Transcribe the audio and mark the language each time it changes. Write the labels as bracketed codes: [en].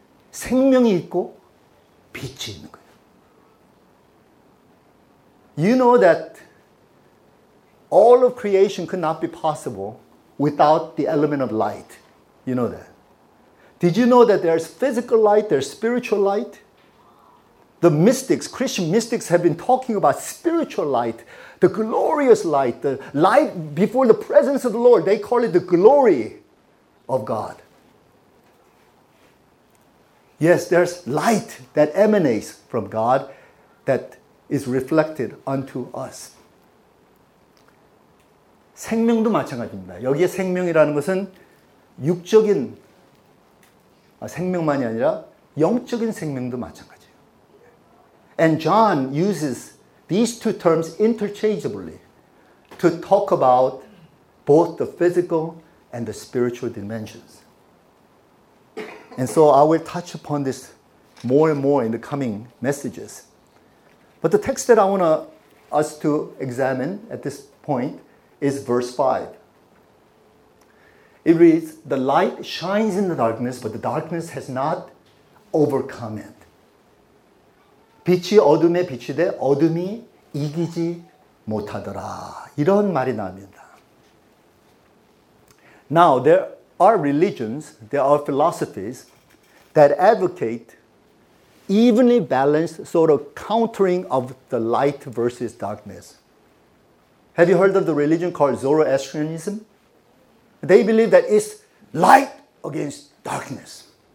[ko] 생명이 있고 빛이 있는 거예요. [en] You know that all of creation could not be possible without the element of light. You know that. Did you know that there's physical light, there's spiritual light? The mystics, Christian mystics, have been talking about spiritual light, the glorious light, the light before the presence of the Lord. They call it the glory of God. Yes, there's light that emanates from God that is reflected unto us. [ko] 생명도 마찬가지입니다. 여기에 생명이라는 것은 육적인 생명만이 아니라 영적인 생명도 마찬가지예요. [en] And John uses these two terms interchangeably to talk about both the physical and the spiritual dimensions. And so I will touch upon this more and more in the coming messages. But the text that I want us to examine at this point is verse 5. It reads, "The light shines in the darkness, but the darkness has not overcome it." [ko] 빛이 어둠에 비치되 어둠이 이기지 못하더라. 이런 말이 나옵니다. [en] Now, there are religions, there are philosophies that advocate evenly balanced sort of countering of the light versus darkness. Have you heard of the religion called Zoroastrianism? They believe that it's light against darkness.